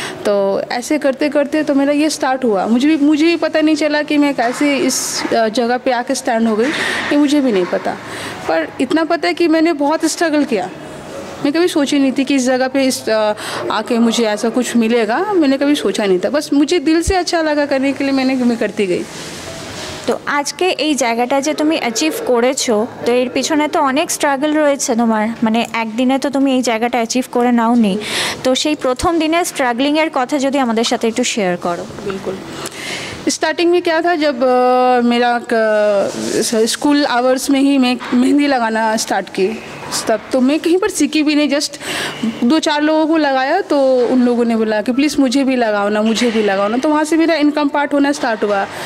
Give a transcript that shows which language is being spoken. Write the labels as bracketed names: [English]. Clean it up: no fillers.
[Hindi] तो ऐसे करते करते तो मेरा ये स्टार्ट हुआ। मुझे भी पता नहीं चला कि मैं कैसे इस जगह पे आके स्टैंड हो गई, ये मुझे भी नहीं पता। पर इतना पता है कि मैंने बहुत स्ट्रगल किया। मैं कभी सोची नहीं थी कि इस जगह पे इस आके मुझे ऐसा कुछ मिलेगा, मैंने कभी सोचा नहीं था। बस मुझे दिल से अच्छा लगा करने के लिए मैं करती गई। [Bangla] তো আজকে এই জায়গাটা যে তুমি অ্যাচিভ করেছো, তো এর পিছনে তো অনেক স্ট্রাগল রয়েছে তোমার, মানে একদিনে তো তুমি এই জায়গাটা অ্যাচিভ করে নাও নি। তো সেই প্রথম দিনের স্ট্রাগলিংয়ের কথা যদি আমাদের সাথে একটু শেয়ার করো। [Hindi] বিলকুল। स्टार्टिंग में क्या था, जब मेरा स्कूल आवर्स में ही मैं मेहंदी लगाना स्टार्ट की, तब तो मैं कहीं पर सीखी भी नहीं, जस्ट दो चार लोगों को लगाया तो उन लोगों ने बोला कि प्लीज़ मुझे भी लगाओ ना। तो वहाँ से मेरा इनकम पार्ट होना स्टार्ट हुआ।